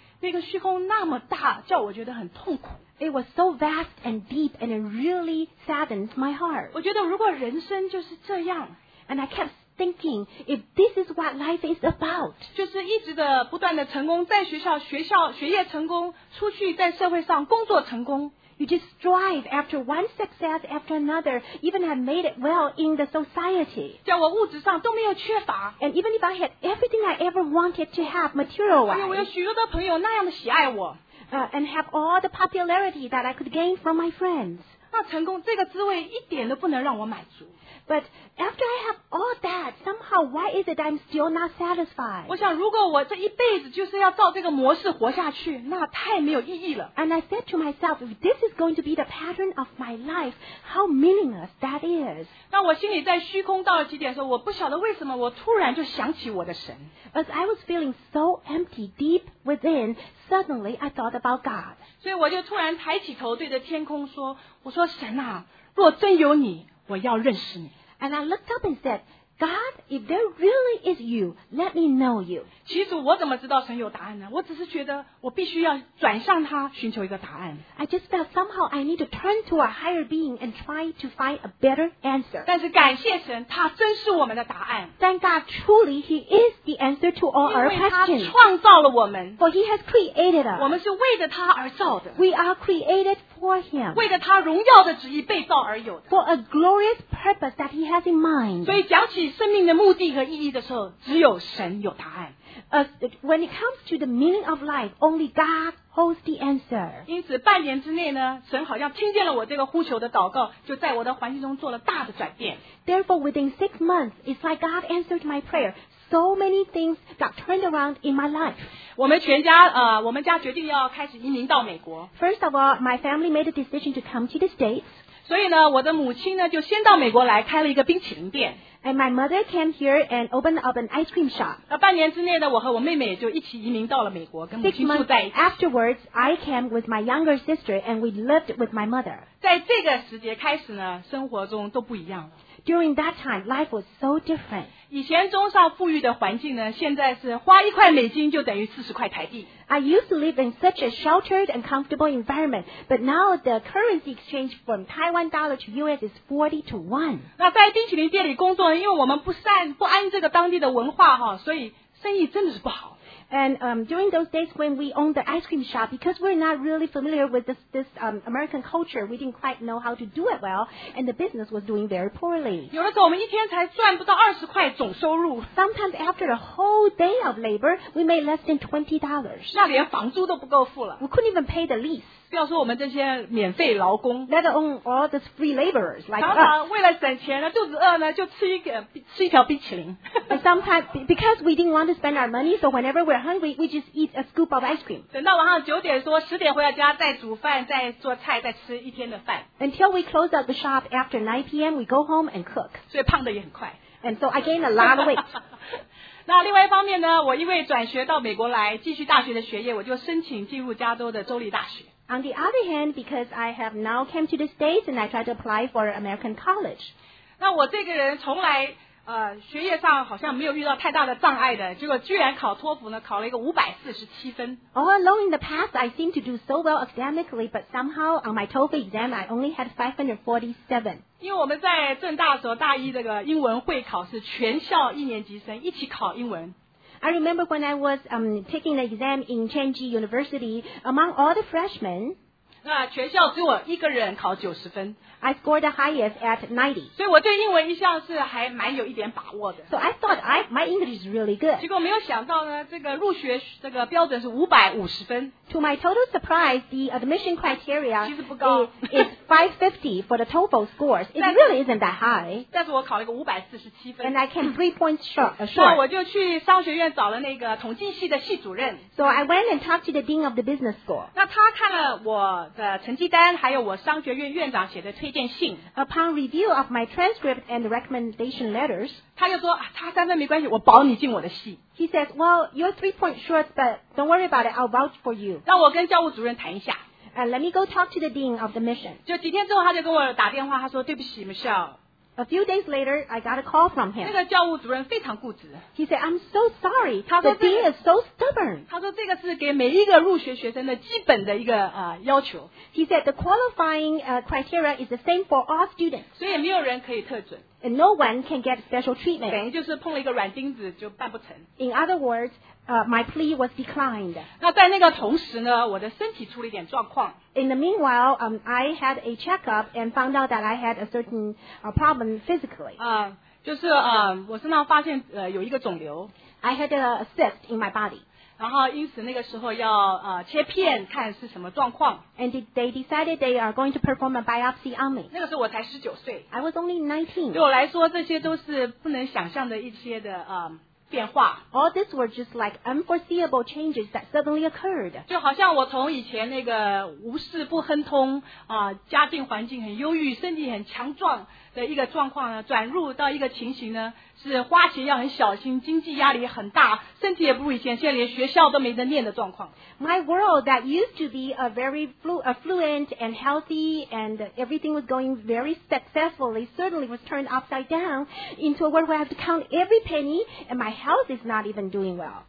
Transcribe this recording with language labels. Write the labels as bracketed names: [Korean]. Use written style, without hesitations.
[Chinese] 那个虚空那么大叫我觉得很痛苦 [English] It was so vast and deep, and it really saddened my heart. [Chinese] 我觉得如果人生就是这样 [English] and I kept thinking, if this is what life is about, [Chinese] 就是一直的不断的成功，在学校学校学业成功，出去在社会上工作成功。 [English] You just strive after one success after another, even had made it well in the society. [Chinese] 叫我物质上都没有缺乏。 [English] And even if I had everything I ever wanted to have material-wise, [Chinese] 还有我有许多的朋友那样的喜爱我。 [English] And have all the popularity that I could gain from my friends. [Chinese] 那成功这个滋味一点都不能让我满足。 [English] But after I have all that, somehow, why is it I'm still not satisfied? [Chinese] 我想如果我这一辈子就是要照这个模式活下去，那太没有意义了。 [English] And I said to myself, if this is going to be the pattern of my life, how meaningless that is. [Chinese] 那我心里在虚空到了极点的时候，我不晓得为什么我突然就想起我的神。 [English] As I was feeling so empty deep within, suddenly I thought about God. [Chinese] 所以我就突然抬起头对着天空说，我说神啊，若真有你。我要认识你。 [English] And I looked up and said, God, if there really is you, let me know you. [Chinese] 其实我怎么知道神有答案呢？我只是觉得我必须要转向他，寻求一个答案。 [English] I just felt somehow I need to turn to a higher being and try to find a better answer. [Chinese] 但是感谢神，他真是我们的答案。 [English] Thank God, truly, he is the answer to all our questions. [Chinese] 因为他创造了我们。 [English] For he has created us. [Chinese] 我们是为着他而造的。 [English] We are created. For him, [Chinese] 为着他荣耀的旨意被造而有的 [English] For a glorious purpose that he has in mind. [Chinese] 所以讲起生命的目的和意义的时候，只有神有答案。 [English] When it comes to the meaning of life, only God holds the answer. [Chinese] 因此半年之内呢，神好像听见了我这个呼求的祷告，就在我的环境中做了大的转变。 [English] Therefore, within 6 months, it's like God answered my prayer. So many things got turned around in my life. [Chinese] 我们全家我们家决定要开始移民到美国。 [English] First of all, my family made a decision to come to the States. [Chinese] 所以呢，我的母亲呢就先到美国来开了一个冰淇淋店。 [English] And my mother came here and opened up an ice cream shop. [Chinese] 那半年之内呢，我和我妹妹就一起移民到了美国，跟母亲住在一起。 [English] Afterwards, I came with my younger sister and we lived with my mother. [Chinese] 在这个时节开始呢，生活中都不一样了。 [English] During that time, life was so different. [Chinese] 以前中上富裕的环境呢，现在是花一块美金就等于40块台币。 [English] I used to live in such a sheltered and comfortable environment, but now the currency exchange from Taiwan dollar to US is 40 to 1. [Chinese] 那在冰淇淋店里工作，因为我们不安这个当地的文化哈，所以生意真的是不好。 [English] And during those days when we owned the ice cream shop, because we're not really familiar with this American culture, we didn't quite know how to do it well, and the business was doing very poorly. [Chinese] 有的时候我们一天才赚不到20块总收入。 [English] Sometimes after a whole day of labor, we made less than $20. [Chinese] 那连房租都不够付了。 [English] We couldn't even pay the lease. [Chinese] 不要说我们这些免费劳工 [English] ，let alone all these free laborers like us. [Chinese] 常常为了省钱呢，肚子饿呢，就吃一条冰淇淋。 [English] But sometimes because we didn't want to spend our money, so whenever we're hungry, we just eat a scoop of ice cream. [Chinese] 等到晚上9点说10点回到家，再煮饭，再做菜，再吃一天的饭。 [English] Until we close up the shop after 9 p.m., we go home and cook. [Chinese] 所以胖的也很快。 [English] And so I gained a lot of weight. [Chinese] 那另外一方面呢，我因为转学到美国来继续大学的学业，我就申请进入加州的州立大学。 [English] On the other hand, because I have now come to the States and I try to apply for American college. [Chinese] 那我这个人从来学业上好像没有遇到太大的障碍的，结果居然考托福呢，考了一个547分。 [English] All along in the past, I seem to do so well academically, but somehow on my TOEFL exam, I only had 547. [Chinese] 因为我们在政大的时候，大一这个英文会考是全校一年级生一起考英文。 [English] I remember when I was taking the exam in Chanji University, among all the freshmen, [Chinese] 那全校只有我一个人考90分。 [English] I scored the highest at 90. [Chinese] 所以我对英文一向是还蛮有一点把握的。 [English] So I thought my English is really good. [Chinese] 结果没有想到呢，这个入学这个标准是550分。 [English] To my total surprise, the admission criteria [Chinese] 其实不高 [English] is 550 for the TOEFL scores. It really isn't that high. [Chinese] 但是我考了一个547分。 [English] And I came 3 points short. [Chinese] 那我就去商学院找了那个统计系的系主任。 [English] So I went and talked to the dean of the business school. [Chinese] 那他看了我的成绩单，还有我商学院院长写的推荐信。 [English] Upon review of my transcript and recommendation letters, [Chinese] 他就说，他三分没关系，我保你进我的系。 [English] He says, well, you're 3 points short, but don't worry about it, I'll vouch for you. [Chinese] 让我跟教务主任谈一下。 [English] Let me go talk to the dean of the mission. [Chinese] 就几天之后他就跟我打电话，他说，对不起，Michelle。 [English] A few days later, I got a call from him. [Chinese] 那个教务主任非常固执。 [English] He said, I'm so sorry. [Chinese] 他说 [English] The dean is so stubborn. [Chinese] 他说这个是给每一个入学学生的基本的一个要求。 [English] He said, the qualifying criteria is the same for all students. [Chinese] 所以没有人可以特准。 [English] And no one can get special treatment. [Chinese] 等于就是碰了一个软钉子就办不成。 [English] In other words, my plea was declined. [Chinese] 那在那个同时呢，我的身体出了一点状况。 [English] In the meanwhile, I had a checkup and found out that I had a certain problem physically. [Chinese] 就是我身上发现有一个肿瘤。 [English] I had a cyst in my body. [Chinese] 然后因此那个时候要切片看是什么状况。 [English] And they decided they are going to perform a biopsy on me. [Chinese] 那个时候我才19岁。 [English] I was only 19. [Chinese] 对我来说，这些都是不能想象的一些的变化。 [English] All this were just like unforeseeable changes that suddenly occurred. [Chinese] 就好像我从以前那个无事不亨通家境环境很优裕，身体很强壮的一个状况呢，转入到一个情形呢，是花钱要很小心，经济压力很大，身体也不如以前，现在连学校都没得念的状况。 [English] My world that used to be a very affluent and healthy and everything was going very successfully suddenly was turned upside down into a world where I have to count every penny and my health is not even doing well.